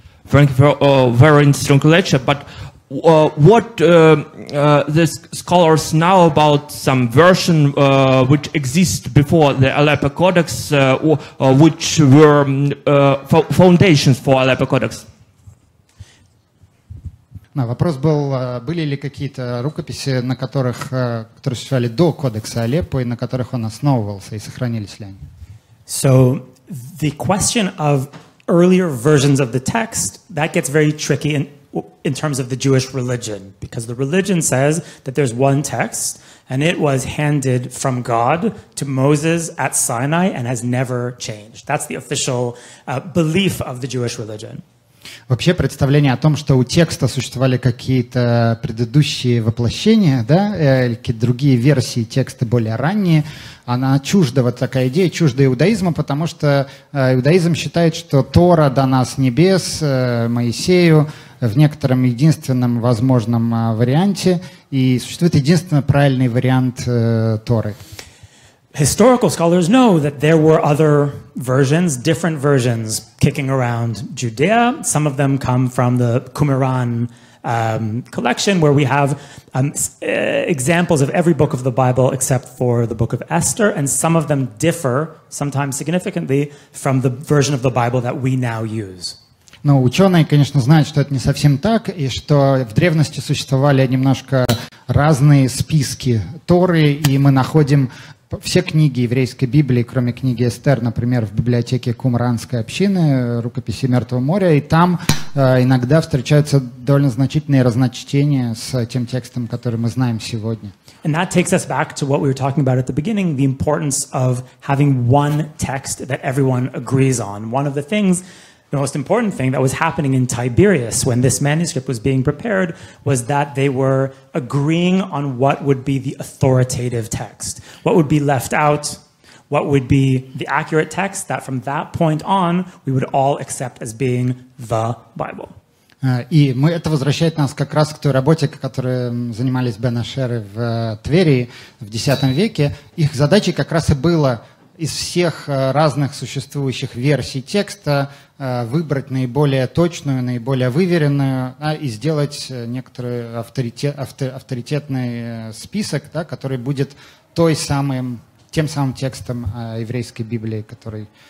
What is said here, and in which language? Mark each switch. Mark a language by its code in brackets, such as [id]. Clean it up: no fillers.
[en] Thank you for a very interesting lecture, but what the scholars know about some version which exists before the Aleppo Codex, which were foundations for Aleppo Codex? [ru] No, вопрос был, были ли какие-то рукописи, на которых, которые существовали до кодекса Алеппо, и на которых он основывался, и сохранились ли они? [en] So, the question of earlier versions of the text, that gets very tricky in terms of the Jewish religion, because the religion says that there's one text, and it was handed from God to Moses at Sinai and has never changed. That's the official belief of the Jewish religion. [ru] Вообще представление о том, что у текста существовали какие-то предыдущие воплощения, да, или какие-то другие версии текста более ранние, она чужда, вот такая идея, чужда иудаизма, потому что иудаизм считает, что Тора дана с небес Моисею в некотором единственном возможном варианте, и существует единственно правильный вариант Торы. [en] Historical scholars know that there were other versions, different versions, kicking around Judea. Some of them come from the Qumran collection, where we have examples of every book of the Bible except for the book of Esther, and some of them differ, sometimes significantly, from the version of the Bible that we now use. [ru] Но ученые, конечно, знают, что это не совсем так, и что в древности существовали немножко разные списки Торы, и мы находим все книги еврейской Библии, кроме книги Эстер, например, в библиотеке Кумранской общины, рукописи Мертвого моря, и там иногда встречаются довольно значительные разночтения с тем текстом, который мы знаем сегодня. [en] And that takes us back to what we were talking about at the beginning, the importance of having one text that everyone agrees on. One of the things, the most important thing that was happening in Tiberias when this manuscript was being prepared was that they were agreeing on what would be the authoritative text, what would be left out, what would be the accurate text that from that point on we would all accept as being the Bible. [ru] И мы, это возвращает нас как раз к той работе, которой занимались Бен-Ашеры в Твери в X веке. Их задачей как раз и было из всех разных существующих версий текста выбрать наиболее точную, наиболее выверенную, да, и сделать некоторый авторитетный список, да, который будет той самым, тем самым текстом еврейской Библии, который